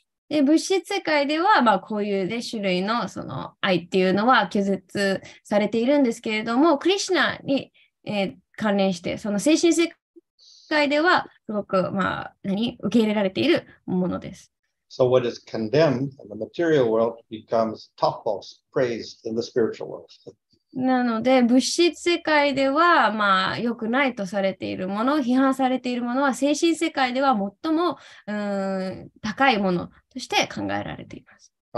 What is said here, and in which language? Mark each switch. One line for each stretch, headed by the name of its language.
Japanese: で、物質世界では、まあ、こういう、ね、種類の、その愛っていうのは拒絶されているんですけれども、クリシナに、関連して、その精神世界では、すごく、まあ、何、受け入れられているものです。
English: So what is condemned in the material world becomes topmost praised in the spiritual world.
Japanese: なので物質世界ではまあ良くないとされているもの、批判されているものは精神世界では最も高いものとして考えられています。